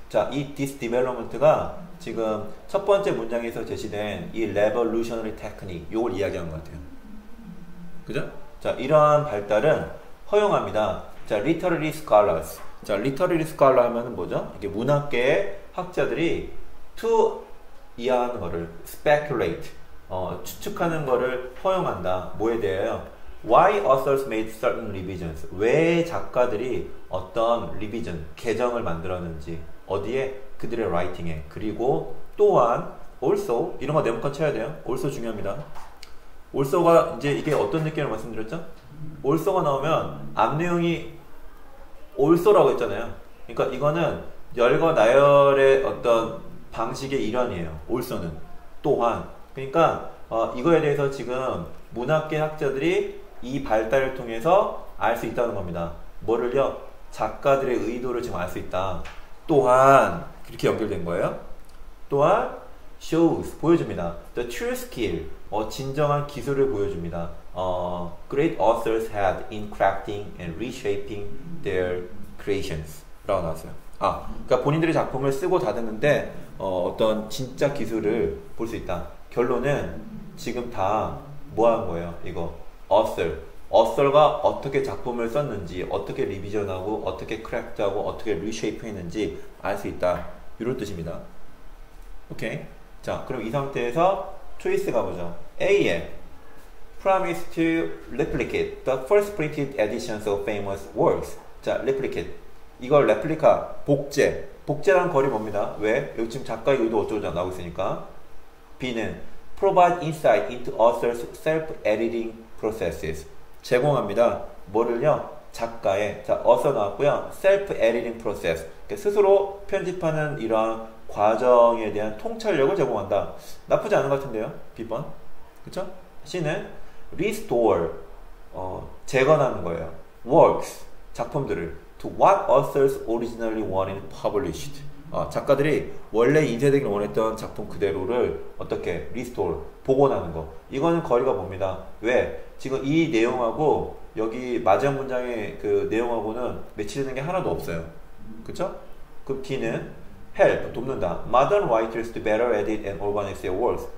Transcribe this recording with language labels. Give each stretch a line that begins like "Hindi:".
Korean: 자, 이 this development 가 지금 첫 번째 문장에서 제시된 이 revolutionary technique 이걸 이야기한 것 같아요. 그죠? 자, 이러한 발달은 허용합니다. 자, literary scholars. 자, literary scholar 하면은 뭐죠? 이게 문학계의 학자들이 to 이한 거를 speculate 추측하는 거를 허용한다. 뭐에 대해요?
English: Why authors made certain revisions?
Korean: 왜 작가들이 어떤 revision, 개정을 만들었는지 어디에? 그들의 writing에 그리고 또한 also 이런 거 네모칸 쳐야 돼요. also 중요합니다. also가 이제 이게 어떤 느낌을 말씀드렸죠? also가 나오면 앞 내용이 also라고 했잖아요. 그러니까 이거는 열과 나열의 어떤 방식의 일환이에요. also는 또한 그러니까 이거에 대해서 지금 문학계 학자들이 이 발달을 통해서 알 수 있다는 겁니다. 뭐를요? 작가들의 의도를 지금 알 수 있다. 또한 이렇게 연결된 거예요. 또한 shows 보여줍니다. The true skill 진정한 기술을 보여줍니다.
English: Great authors had in crafting and reshaping their creations 라고 나왔어요.
Korean: 그러니까 본인들의 작품을 쓰고 다듬는데 어떤 진짜 기술을 볼 수 있다. 결론은 지금 다 뭐 한 거예요? 이거 author. author가 어떻게 작품을 썼는지, 어떻게 리비전하고, 어떻게 크래프트하고, 어떻게 리쉐이프 했는지 알 수 있다. 이런 뜻입니다. 오케이. 자, 그럼 이 상태에서 초이스 가보죠.
English: A에 promise to replicate the first printed editions of famous works.
Korean: 자, replicate. 이걸 replica, 복제. 복제라는 거리 뭡니다. 왜? 여기 지금 작가의 의도 어쩌고 나오고 있으니까.
English: B는 provide insight into authors' self-editing processes.
Korean: 제공합니다. 뭐를요? 작가의. 자, author 나왔고요.
English: self-editing process.
Korean: 그러니까 스스로 편집하는 이러한 과정에 대한 통찰력을 제공한다. 나쁘지 않은 것 같은데요. B번. 그쵸? C는 restore. 재건하는 거예요. works. 작품들을.
English: to what authors originally wanted published.
Korean: 작가들이 원래 인쇄되길 원했던 작품 그대로를 어떻게 restore, 복원하는 거. 이거는 거리가 봅니다. 왜? 지금 이 내용하고 여기 마지막 문장의 그 내용하고는 매치되는 게 하나도 없어요. 그쵸? 그 D는 help, 돕는다.
English: Modern writers to better edit and organize their works.